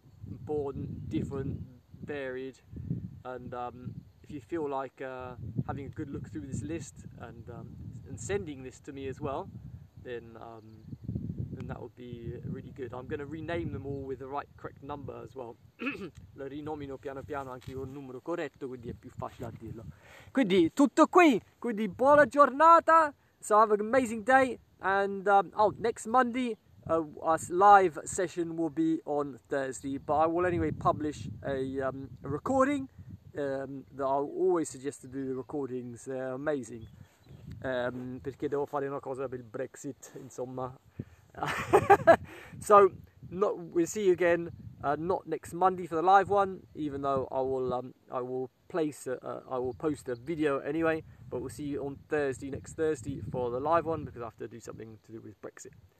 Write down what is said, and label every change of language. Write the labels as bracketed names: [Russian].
[English] Important, different, varied, and if you feel like having a good look through this list and sending this to me as well, then that would be really good. I'm going to rename them all with the right correct number as well. [Italian] Lo rinomino piano piano anche con il numero corretto, quindi è più facile a dirlo. Quindi tutto qui, quindi buona giornata. [English] So have an amazing day, and next Monday our live session will be on Thursday, but I will anyway publish a recording. That I always suggest to do the recordings, they're amazing. [Italian] Perché devo fare una cosa per il Brexit, insomma. So [English] not we'll see you again not next Monday for the live one, even though I will post a video anyway, but we'll see you on next Thursday for the live one, because I have to do something to do with Brexit.